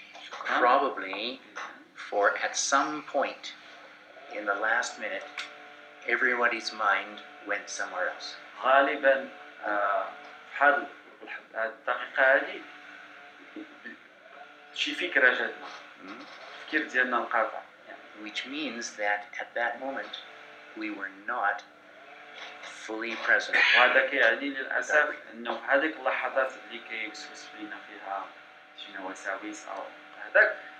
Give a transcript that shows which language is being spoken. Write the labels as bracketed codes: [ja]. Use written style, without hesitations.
[en] Probably, for at some point in the last minute, everybody's mind went somewhere else. [ar] غالبا حال الدقيقة هذه شي فكرة جات فكر ديالنا انقطع. [en] Which means that at that moment we were not fully present. [ar] وهذا كيعني للأسف إنه هذيك اللحظات اللي كيوسوس فينا فيها شنو وساويس أو هذاك.